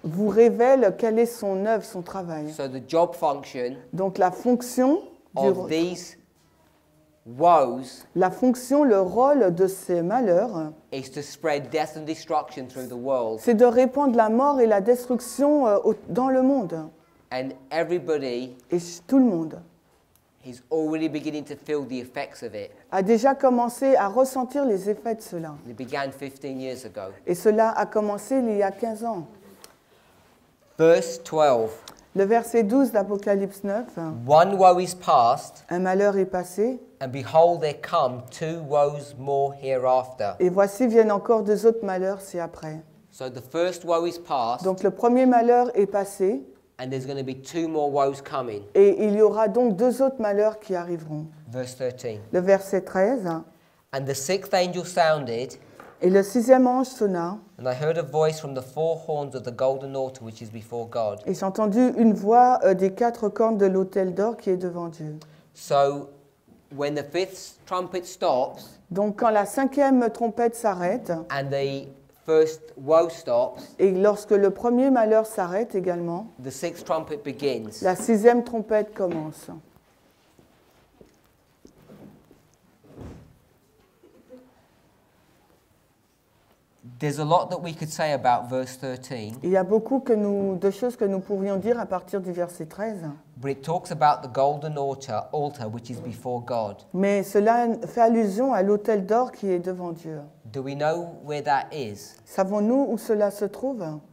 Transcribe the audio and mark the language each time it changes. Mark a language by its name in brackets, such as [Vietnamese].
[French] Vous révèle quelle est son œuvre, son travail. [English] So the job function. [French] Donc la fonction. [English] Of these woes. [French] La fonction, le rôle de ces malheurs. [English] Is to spread death and destruction through the world. [French] C'est de répandre la mort et la destruction dans le monde. [English] And everybody. [French] Et tout le monde. [English] He's already beginning to feel the effects of it. [French] A déjà commencé à ressentir les effets de cela. [English] It began 15 years ago. [French] Et cela a commencé il y a 15 ans. [English] Verse 12. [French] Le verset 12 d'Apocalypse 9. [English] One woe is past. [French] Un malheur est passé. [English] And behold, there come two woes more hereafter. [French] Et voici viennent encore deux autres malheurs ci après. [English] So the first woe is past. [French] Donc le premier malheur est passé. [English] And there's going to be two more woes coming. [French] Et il y aura donc deux autres malheurs qui arriveront. [English] Verse 13. [French] Le verset 13. [English] And the sixth angel sounded. [French] Et le sixième ange sonna. [English] And I heard a voice from the four horns of the golden altar which is before God. [French] Et j'ai entendu une voix des quatre cornes de l'autel d'or qui est devant Dieu. [English] So when the fifth trumpet stops. [French] Donc quand la cinquième trompette s'arrête. [English] And the first woe stops, [French] et lorsque le premier malheur s'arrête également, [English] the sixth trumpet begins. [French] La sixième trompette commence. [English] There's a lot that we could say about verse 13. [French] Il y a beaucoup que nous, de choses que nous pourrions dire à partir du verset 13. [English] But it talks about the golden altar which is before God. [French] Mais cela fait allusion à l'autel d'or qui est devant Dieu. [English] Do we know where that is? [French] Savons-nous où cela se trouve?